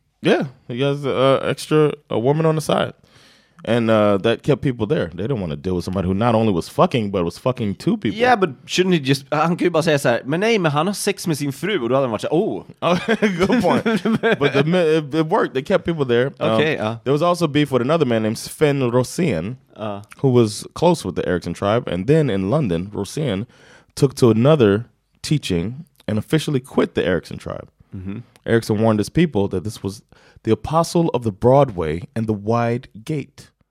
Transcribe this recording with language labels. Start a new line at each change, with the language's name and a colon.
English: Yeah, he has a woman on the side. And that kept people there. They didn't want to deal with somebody who not only was fucking, but was fucking two people. Yeah, but shouldn't he just...
Swedish: Han kan ju bara säga så här, men nej, men han har sex med sin fru. Och då hade han varit så här, oh.
English: Good point. But it worked. They kept people there. Okay. There was also beef with another man named Sven Rosén, who was close with the Eriksson tribe. And then in London, Rosén took to another teaching and officially quit the Eriksson tribe. Mm-hmm. Eriksson warned his people that this was the apostle of the Broadway and the wide gate.